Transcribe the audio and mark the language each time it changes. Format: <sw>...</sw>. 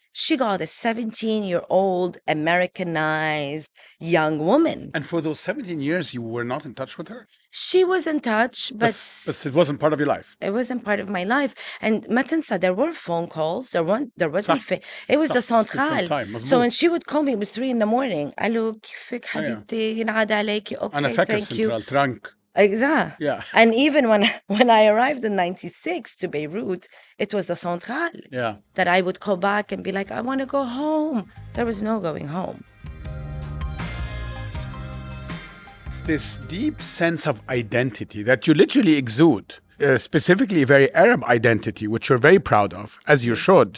<en>She got a 17-year-old Americanized young woman. And for those 17 years, you were not in touch with her? She was in touch, but... But it wasn't part of your life. It wasn't part of my life. And</en> <ar>ما تنسى,</ar> <en>there were phone calls. There wasn't... It was the central. So when she would call me, it was 3 a.m.</en> <ar>Alo, كيفك حبيبتي, ينعاد عليكي.</ar> <en>Okay, thank you.</en> <ar>أنا فاكر سنترال ترانك.</ar> <en>Exactly. Yeah. And even when I arrived in 96 to Beirut, it was the central. Yeah. That I would call back and be like, I want to go home. There was no going home. This deep sense of identity that you literally exude, specifically a very Arab identity, which you're very proud of, as you should.</en>